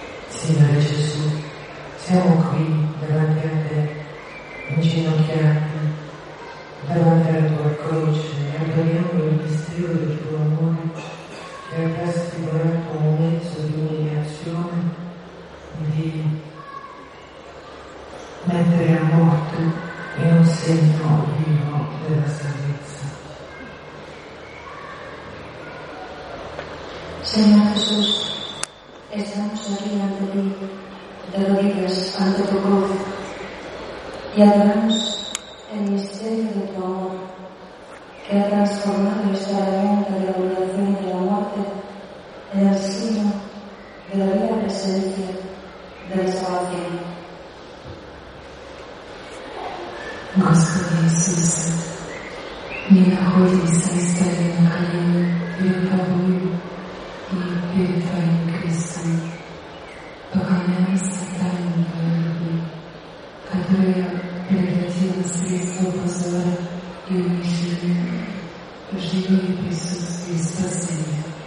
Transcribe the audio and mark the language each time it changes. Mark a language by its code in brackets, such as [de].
[it] Signore Gesù, siamo qui davanti a te, inginocchiati davanti alla tua croce e adoriamo il mistero del tuo amore che ha trasfigurato un mezzo di umiliazione e di mettere a morte in un segno vivo della salvezza. [es] Signore Gesù,Estamos aquí ante ti, de rodillas, ante tu cruz, y adoramos el misterio de tu amor, que ha transformado esta herramienta de la violación y de la muerte en el signo de la viva presencia de la salvación. [ru] Господи Иисус, не находимся и стали на колени перед тобою и перед твоим крестом. Поклоняемся тайне Твоей любви, которая превратила средство позора и унижения в живое присутствие и спасение.